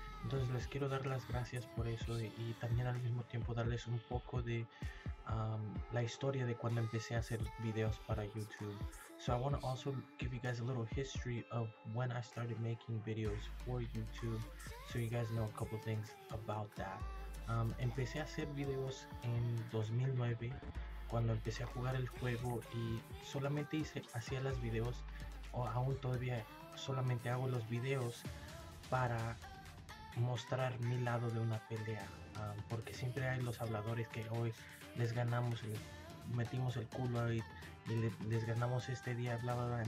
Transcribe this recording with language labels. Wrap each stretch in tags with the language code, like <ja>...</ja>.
<es>Entonces les quiero dar las gracias por eso y también al mismo tiempo darles un poco de la historia de cuando empecé a hacer videos para YouTube.</es> <en>So I want to also give you guys a little history of when I started making videos for YouTube, so you guys know a couple things about that.</en> <es>Empecé a hacer videos en 2009, cuando empecé a jugar el juego, y solamente hacía los videos, o aún todavía solamente hago los videos para mostrar mi lado de una pelea, porque siempre hay los habladores que hoy les ganamos, metimos el culo ahí y les ganamos este día, bla bla bla.</es>